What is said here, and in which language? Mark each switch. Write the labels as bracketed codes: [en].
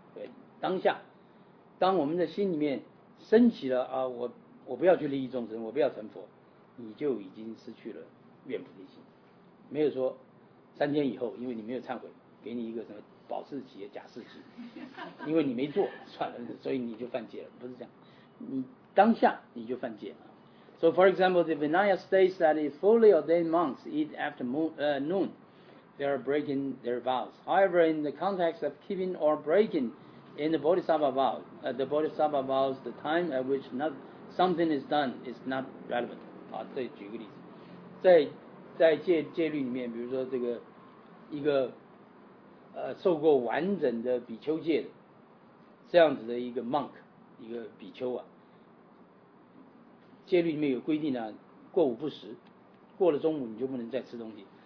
[zh] 对，当下当我们的心里面升起了我不要去利益众生，我不要成佛，你就已经失去了愿菩提心。没有说三天以后因为你没有忏悔给你一个什么保释期假释期，因为你没做算了，所以你就犯戒了，不是这样。你当下你就犯戒了。 [en] So for example, the Vinaya states that if fully ordained monks eat after noon, they are breaking their vows. However, in the context of keeping or breakingIn the Bodhisattva vows, the time at which not something is done is not relevant. [zh] 好，再举个例子，在戒律里面，比如说这个一个受过完整的比丘戒的这样子的一个 monk， 一个比丘啊，戒律里面有规定呢，过午不食，过了中午你就不能再吃东西。